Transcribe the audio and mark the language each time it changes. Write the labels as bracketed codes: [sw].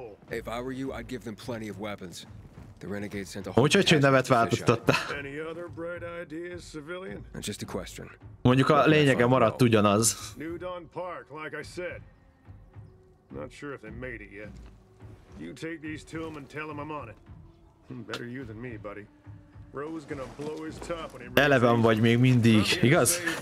[en] If I were you, I'd give them plenty of weapons. The Renegades sent a whole bunch of [hu] nevet váltottatta. [en] Any other bright ideas, civilian? And just a question. [hu] Mondjuk a lényege maradt ugyanaz. [en] New Dawn Park, like I said. Not sure if they made it yet. You take these to him and tell him I'm on it. Better you than me, buddy. Rose gonna blow his top when he reaches. [hu] Eleven vagy még mindig, igaz?